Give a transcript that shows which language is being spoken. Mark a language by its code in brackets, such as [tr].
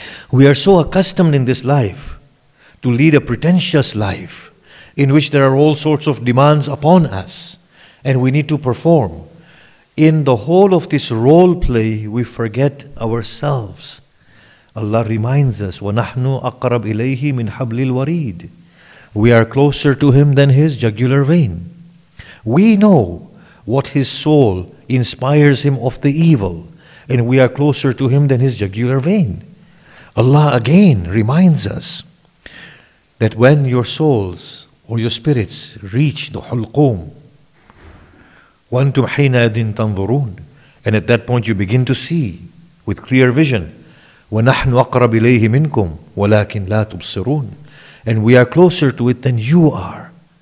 [en] We are so accustomed in this life to lead a pretentious life in which there are all sorts of demands upon us and we need to perform. In the whole of this role play, we forget ourselves. Allah reminds us, [ar] وَنَحْنُ أَقْرَبْ إِلَيْهِ مِنْ حَبْلِ الْوَرِيدِ. [en] We are closer to him than his jugular vein. We know what his soul inspires him of the evil, and we are closer to him than his jugular vein. Allah again reminds us that when your souls or your spirits reach the hulqum, [ar] وَأَنْتُمْ حِينَ أَذٍ تَنْظُرُونَ, [en] and at that point you begin to see with clear vision, [ar] وَنَحْنُ أَقْرَبْ إِلَيْهِ مِنْكُمْ وَلَكِنْ لَا تُبْصِرُونَ, [en] and we are closer to it than you are.